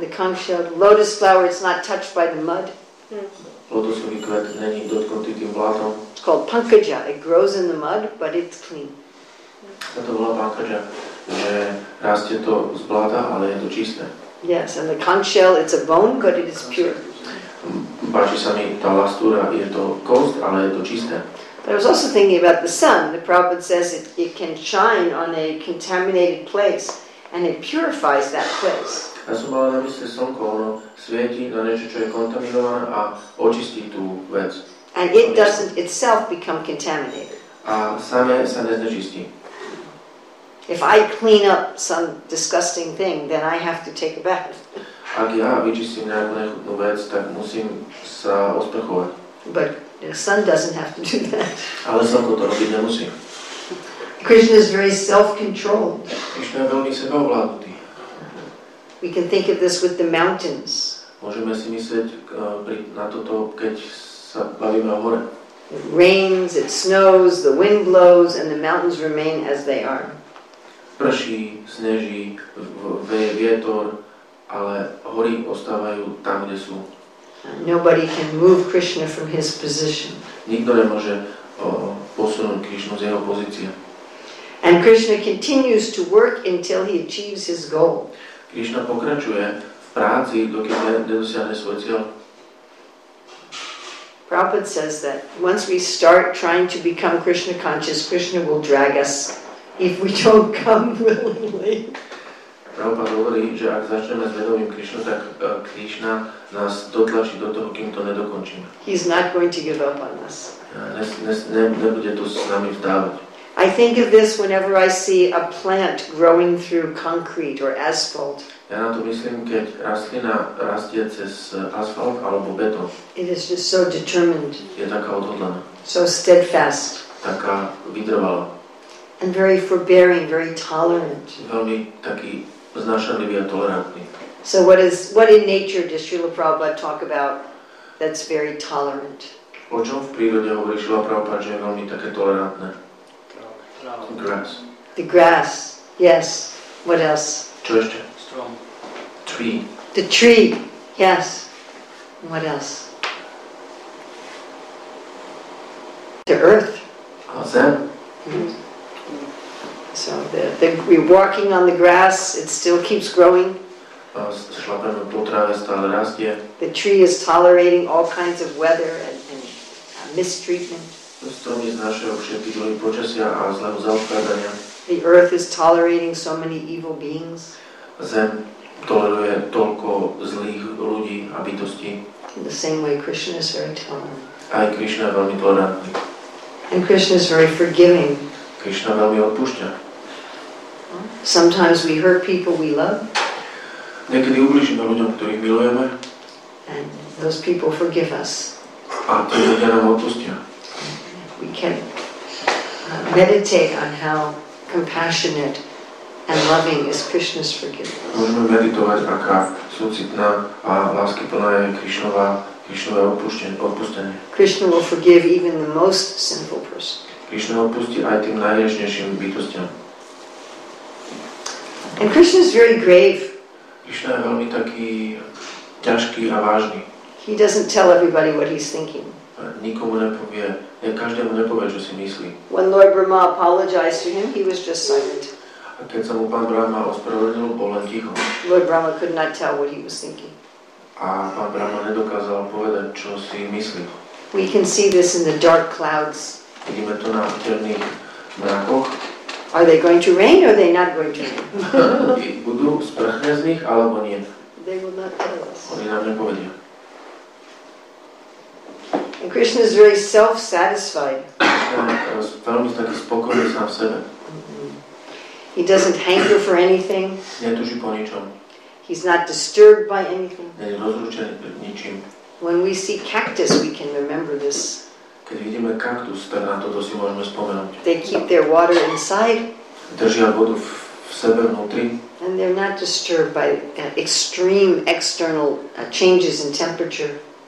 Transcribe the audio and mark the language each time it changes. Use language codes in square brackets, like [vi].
[en] The conch shell. Lotus flower, it's not touched by the mud. [sk] Lotusový kvet není dotknutý tým blátom. [en] It's called pankaja. It grows in the mud, but it's clean. [sk] A to bola pankaja, že rastie to z bláta, ale je to čisté. [en] Yes, and the conch shell, it's a bone, but it is pure. [sk] Páči sa mi tá lastúra, je to kost, ale je to čisté. [en] But I was also thinking about the sun. The Prabhupada says it can shine on a contaminated place and it purifies that place. [sk] A som mal na mysli slnko, ono svieti na niečo, čo je kontaminované a očistí tú vec. [en] And it doesn't itself become contaminated. [sk] A samé sa neznečistí. [en] If I clean up some disgusting thing, then I have to take a bath. [sk] Ak ja vyčistím nejakú nechutnú vec, tak musím sa osprchovať. [en] But the sun doesn't have to do that. [sk] Ale slnko to robiť nemusí. [en] Krishna is very self-controlled. [sk] Krishna je veľmi sebovládnutý. [en] We can think of this with the mountains. [sk] Môžeme si myslieť na toto, keď sa bavíme o hore. [en] It rains, it snows, the wind blows, and the mountains remain as they are. [sk] Prší, sneží, veje vietor, ale hory ostávajú tam, kde sú. [en] Nobody can move Krishna from his position. [sk] Nikto nemôže posunúť Krishnu z jeho pozície. [en] And Krishna continues to work until he achieves his goal. [sk] Krishna pokračuje v práci, dokiaľ nedosiahne svoj cieľ. [en] Prabhupada says that once we start trying to become Krishna conscious, Krishna will drag us if we don't come willingly. [sk] Prabhupada hovorí, že ak začneme s vedomím Krišnu, tak Krišna nás dotlačí do toho, kým to nedokončíme. [en] He's not going to give up on us. [sk] Nebude to s nami vzdávať. [en] I think of this whenever I see a plant growing through concrete or asphalt. [sk] Ja na to myslím, keď rastlina rastie cez asfalt alebo betón. [en] It is just so determined. [sk] Je taká odhodlaná. [en] So steadfast. [sk] Taká vytrvalá. [en] And very forbearing, very tolerant. [sk] Veľmi taký znášanlivý a tolerantný. [en] So what in nature does Srila Prabhupada talk about that's very tolerant? [sk] O čom v prírode hovorí Srila Prabhupada, že je veľmi také tolerantné? [en] The grass. Yes. What else? [sk] Čo ešte? [en] Strong. Tree. The tree. Yes. What else? The earth. How's that? Mm-hmm. So the we're walking on the grass, it still keeps growing. [sk] Šlapeme po tráve, stále rastie. [en] The tree is tolerating all kinds of weather and mistreatment. [sk] Stromy znášajú všetky dlhy počasia a zlého zaobchádzania. [en] The earth is tolerating so many evil beings. [sk] Zem toleruje toľko zlých ľudí a bytostí. [en] In the same way Krishna is very tolerant. [sk] Aj Krishna je veľmi tolerantný. [en] And Krishna is very forgiving. [sk] Krishna veľmi odpúšťa. [en] Sometimes we hurt people we love. [sk] Niekedy ublížime ľuďom, ktorých milujeme. [en] And those people forgive us. [sk] A tí ľudia nám odpustia. [en] We can meditate on how compassionate and loving is Krishna's forgiveness. [sk] Môžeme meditovať, aká súcitná a láskyplná je Krishnova, Krishnové odpustenie. [en] Krishna will forgive even the most sinful person. [sk] Krishna odpustí aj tým najhriešnejším bytostiam. [en] And Krishna is very grave. [sk] Krishna je veľmi taký ťažký a vážny. [en] He doesn't tell everybody what he's thinking. [sk] Nikomu nepovie, každému nepovie, čo si myslí. [en] When Lord Brahma apologized to him, he was just silent. [sk] A keď sa mu pán Brahma ospravedlnil, bol len ticho. [en] Lord Brahma could not tell what he was thinking. [sk] A pán Brahma nedokázal povedať, čo si myslí. [en] We can see this in the dark clouds. [sk] Vidíme to na temných mrakoch. [en] Are they going to rain or are they not going to rain? [sk] Budú sprchne z nich alebo nie? [en] They will not tell us. [sk] Oni nám nepovedia. [en] And Krishna is very self-satisfied. [sk] Veľmi taký spokojný sám sebe. [en] He doesn't hanker for anything. [sk] Netuží po ničom. [en] He's not disturbed by anything. [sk] Není rozrušený ničím. [en] When we see cactus, we can remember this. [sk] Keď vidíme kaktus, tak na toto si môžeme spomenúť. [en] They keep their water inside. [sk] Držia vodu v sebe vnútri. [en] And they're not disturbed by extreme external changes in temperature.